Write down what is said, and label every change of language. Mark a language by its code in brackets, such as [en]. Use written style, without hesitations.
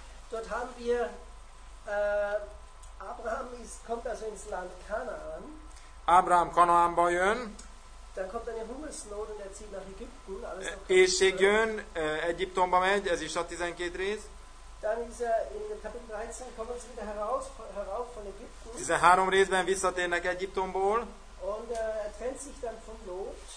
[de] Dort haben wir Abraham kommt also ins Land Kanaan. [hu] Abraham Kanaánba jön. [de] Dann kommt eine Hungersnot und er zieht nach Ägypten. [hu] Éhség jön, Egyiptomba megy, ez is a 12 rész. [de] Dann ist er in Kapitel 13 kommen sie wieder herauf von Ägypten. [hu] 13 részben visszatérnek Egyiptomból. [de] Und er trennt sich dann von Lot.